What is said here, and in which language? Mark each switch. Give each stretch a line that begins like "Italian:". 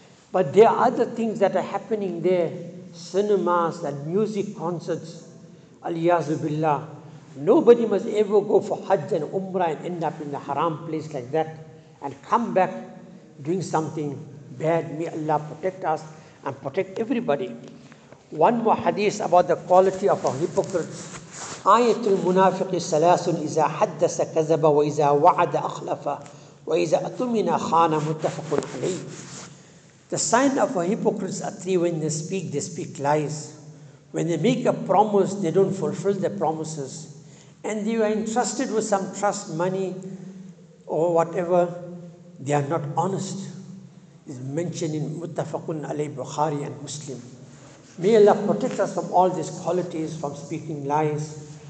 English: But there are other things that are happening there, cinemas and music concerts, aliyazu billah. Nobody must ever go for Hajj and Umrah and end up in a haram place like that and come back doing something bad. May Allah protect us and protect everybody. One more hadith about the quality of a hypocrite.
Arabic: آيات المنافق ثلاث إذا حدث كذب وإذا وعد أخلف وإذا أؤمن خان متفق عليه.
English: The sign of a hypocrite are three: when they speak lies; when they make a promise, they don't fulfill the promises; and they are entrusted with some trust money or whatever, they are not honest. It's mentioned in Muttafaqun Alayhi Bukhari and Muslim. May Allah protect us from all these qualities, from speaking lies.